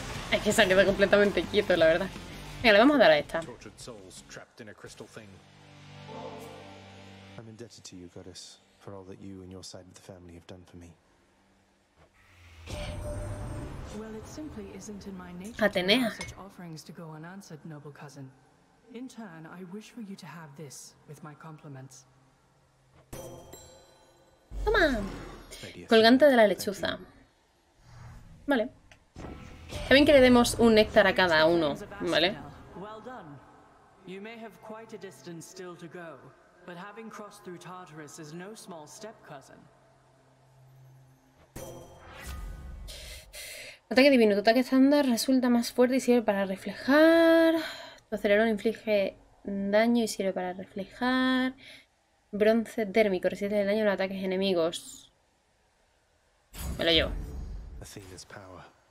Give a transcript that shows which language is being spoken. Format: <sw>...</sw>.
<es>Es que se ha quedado completamente quieto, la verdad. Venga, le vamos a dar a esta.</es> <en>Tortured souls trapped in a crystal thing. I'm indebted to you, goddess, for all that you and your side of the family have done for me. Well, it simply isn't in my nature to have such offerings to go unanswered, noble cousin. In turn, I wish for you to have this with my compliments.</en> <es>Toma. Colgante de la lechuza. Vale. Está bien que le demos un néctar a cada uno, ¿vale?</es> <en>Well done. You may have quite a distance still to go, but having crossed through Tartarus is no small step, cousin.</en> <es>Ataque divino, tu ataque estándar resulta más fuerte y sirve para reflejar. Tu acelerón inflige daño y sirve para reflejar. Bronce térmico, resiste el daño a los ataques enemigos. Me lo llevo.</es> <en>Athena's power.</en>